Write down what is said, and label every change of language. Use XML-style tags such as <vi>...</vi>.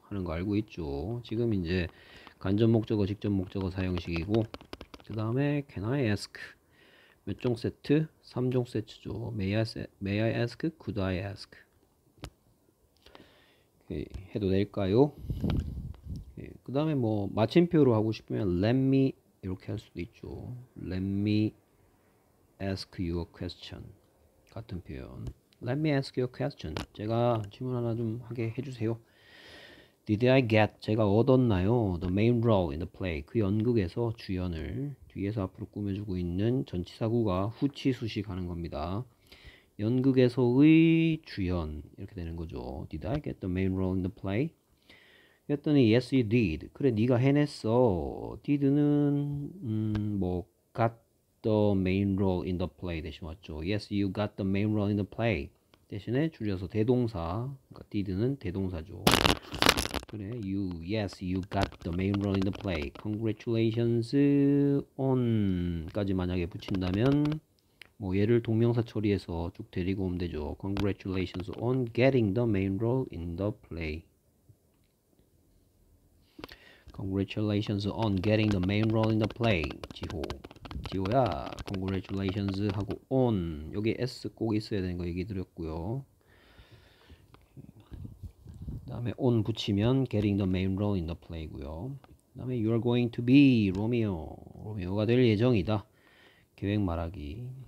<ko>하는 거 알고 있죠. 지금 이제 간접 목적어, 직접 목적어 사용식이고 그 다음에</ko> <en>Can I ask</en> <ko>몇종 세트? 3종 세트죠.</ko> <en>May I ask? Could I ask?</en> <ko>오케이, 해도 될까요? 오케이, 그 다음에 뭐 마침표로 하고 싶으면</ko> <en>Let me</en> <ko>이렇게 할 수도 있죠.</ko> <en>Let me ask you a question</en> <ko>같은 표현.</ko> <en>Let me ask you a question.</en> <ko>제가 질문 하나 좀 하게 해주세요.</ko> <en>Did I get?</en> <ko>제가 얻었나요?</ko> <en>The main role in the play.</en> <ko>그 연극에서 주연을 뒤에서 앞으로 꾸며주고 있는 전치사구가 후치수식 하는 겁니다. 연극에서의 주연 이렇게 되는 거죠.</ko> <en>Did I get the main role in the play?</en> <ko>그랬더니</ko> <en>Yes, you did.</en> <ko>그래, 네가 해냈어.</ko> <en>Did는 뭐 got the main role in the play</en> <ko>대신 왔죠.</ko> <en>Yes, you got the main role in the play.</en> <ko>대신에 줄여서 대동사. 그러니까 did는 대동사죠.</ko> <en>그래, you, yes, you got the main role in the play. Congratulations on</en> <ko>까지 만약에 붙인다면 뭐 얘를 동명사 처리해서 쭉 데리고 오면 되죠.</ko> <en>Congratulations on getting the main role in the play. Congratulations on getting the main role in the play.</en> <ko>지호. 지호야, congratulations 하고 on. 여기 S 꼭 있어야 되는 거 얘기 드렸고요. 다음에</ko> <en>on</en> <ko>붙이면</ko> <en>getting the main role in the play고요.</en> <ko>다음에</ko> <en>you are going to be Romeo.</en> <ko>로미오가 될 예정이다. 계획 말하기.</ko>